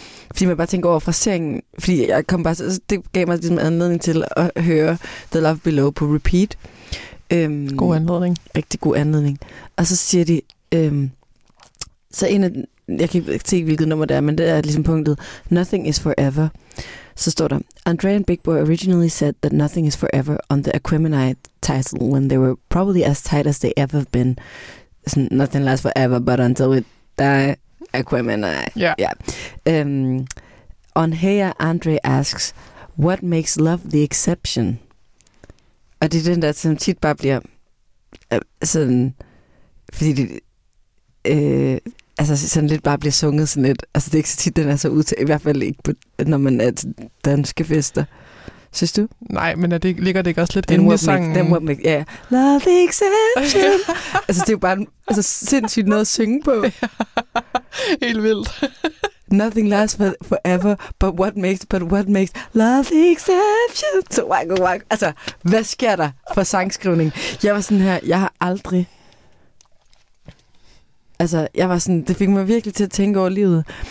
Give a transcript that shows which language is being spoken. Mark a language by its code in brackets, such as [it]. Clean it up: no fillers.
[da] Fordi man bare tænker over fraseringen, fordi jeg kom bare, så det gav mig ligesom anledning til at høre The Love Below på repeat. God anledning. Rigtig god anledning. Og så siger de, så en af, jeg kan ikke se, hvilket nummer det er, men det er ligesom punktet, Nothing is Forever. Så står der, [en] Andre and Big Boy originally said that nothing is forever on the Aquemini title when they were probably as tight as they ever been. So nothing lasts forever, but until we die, Aquemini. Yeah. Yeah. On Heya, Andre asks, what makes love the exception? [da] Og det er den der, som tit bare bliver sådan, fordi det, altså sådan lidt bare bliver sunget sådan lidt. Altså det er ikke så tit, den er så udtaget, i hvert fald ikke, på, når man er til danske fester. Synes du? Nej, men er det, ligger det ikke også lidt inde i sangen? Den må ikke, ja. [en] Love the exception. [da] Altså det er jo bare altså, sindssygt noget at synge på. Helt vildt. [en] Nothing lasts forever, but what makes love the exception? So wacko wacko. [da] Altså, hvad sker der for sangskrivning? Jeg var sådan her, jeg har aldrig... Altså, jeg var sådan, det fik mig virkelig til at tænke over livet.